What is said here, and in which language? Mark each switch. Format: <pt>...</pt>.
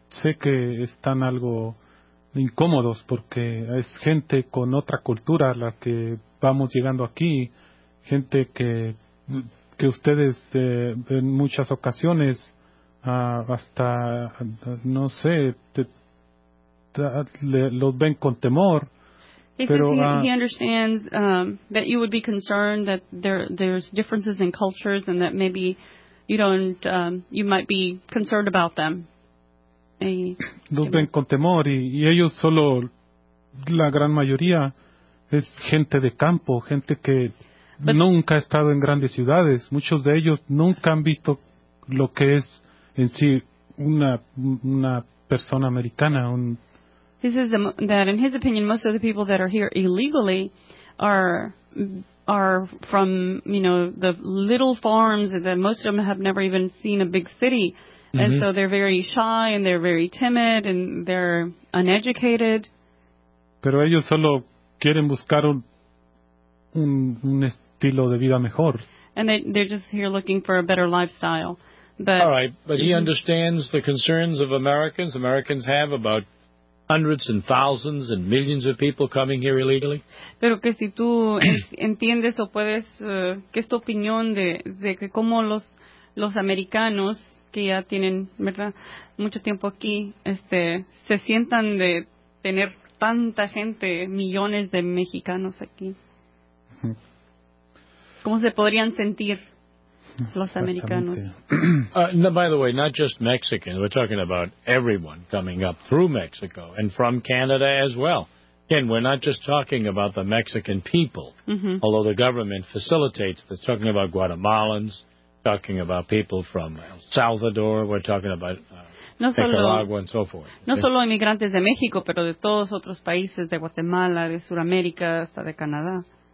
<es>Sé que están algo incómodos porque es gente con otra cultura la que vamos llegando aquí, gente que ustedes en muchas ocasiones, hasta, no sé, los ven con temor.</es> <en>He understands that you would be concerned that there's differences in cultures and that maybe you don't you might be concerned about them.</en> <es>Los ven con temor y ellos solo, la gran mayoría es gente de campo, gente que nunca ha estado en grandes ciudades. Muchos de ellos nunca han visto lo que es en sí una persona americana.</es> <en>He says that, in his opinion, most of the people that are here illegally are from, the little farms, and that most of them have never even seen a big city. Mm-hmm. And so they're very shy, and they're very timid, and they're uneducated.</en> <es>Pero ellos solo quieren buscar un estilo de vida mejor.</es> <en>And they're just here looking for a better lifestyle. But, all right, but he understands the concerns of Americans have about hundreds and thousands and millions of people coming here illegally.</en> <es>Pero que si tú entiendes o puedes que es tu opinión de que como los americanos que ya tienen, ¿verdad?, mucho tiempo aquí, se sientan de tener tanta gente, millones de mexicanos aquí. ¿Cómo se podrían sentir los americanos?</es> <en>By the way, not just Mexicans. We're talking about everyone coming up through Mexico and from Canada as well. Again, we're not just talking about the Mexican people, although the government facilitates this. Talking about Guatemalans, talking about people from El Salvador. We're talking about Nicaragua and so forth.</en> <es>No solo inmigrantes de México, pero de todos otros países, de Guatemala, de Sudamérica, hasta de Canadá.</es>